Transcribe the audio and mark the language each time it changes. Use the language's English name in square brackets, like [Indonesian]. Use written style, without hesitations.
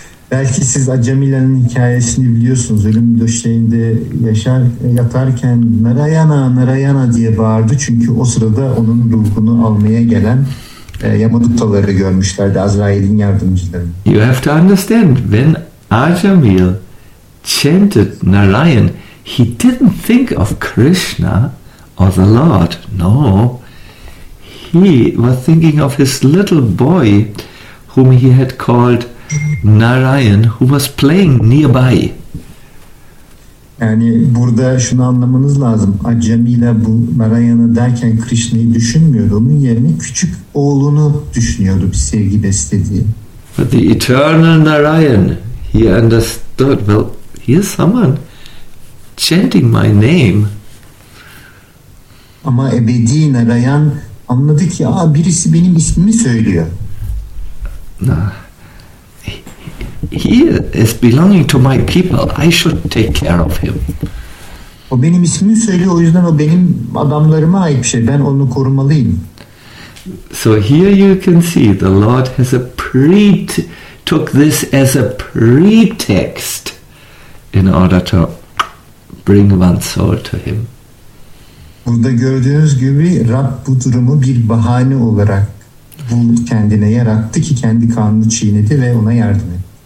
[Turkish] Belki siz Acemila'nın hikayesini biliyorsunuz. Ölüm döşeğinde yatarken Narayana, Narayana diye bağırdı. Çünkü o sırada onun ruhunu almaya gelen Yamadutaları görmüşlerdi. Azrail'in yardımcıları. [English] You have to understand, when Acemil chanted Narayan, he didn't think of Krishna or the Lord. No. He was thinking of his little boy whom he had called Narayan, who was playing nearby. [Turkish] Yani burada şunu anlamanız lazım. Acemila bu Narayan'ı derken Krishna'yı düşünmüyordu. Onun yerine küçük oğlunu düşünüyordu, bir sevgi beslediği. [English] But the eternal Narayan, he understood, well, here's someone chanting my name. [Turkish] Ama ebedi Narayan anladı ki, aa, birisi benim ismimi söylüyor. Nah. [English] He is belonging to my people. I should take care of him. [Turkish] O benim ismimi söylüyor, o yüzden o benim adamlarıma ait bir şey. Ben onu korumalıyım. [English] So here you can see the Lord has a took this as a pretext in order to bring one soul to him. [Turkish] Burada gördüğünüz gibi Rab bu durumu bir bahane olarak buldu, kendine yarattı ki kendi kanunu çiğnedi ve ona yardım etti.